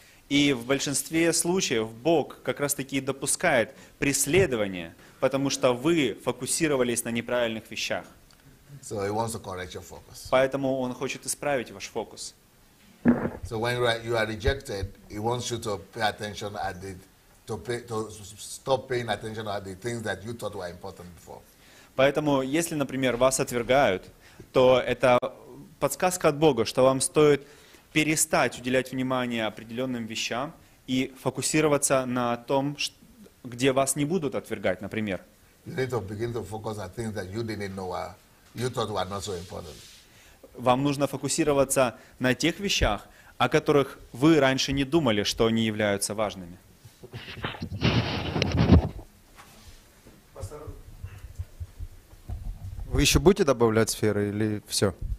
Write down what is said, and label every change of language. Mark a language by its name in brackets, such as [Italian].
[Russian] И в большинстве случаев Бог как раз-таки допускает преследование, потому что вы фокусировались на неправильных вещах. [English] So he wants to correct your focus. [Russian] Поэтому он хочет исправить ваш фокус. [English] So when you are rejected, he wants you to pay attention at the stop paying attention at the things that you thought were important before. [Russian] Поэтому, если, например, вас отвергают, то это подсказка от Бога, что вам стоит перестать уделять внимание определенным вещам и фокусироваться на том, где вас не будут отвергать, например. [English] You need to begin to focus on things that you didn't know are. You thought were not so important. [Russian] Вам нужно фокусироваться на тех вещах, о которых вы раньше не думали, что они являются важными. Вы еще будете добавлять сферы или все?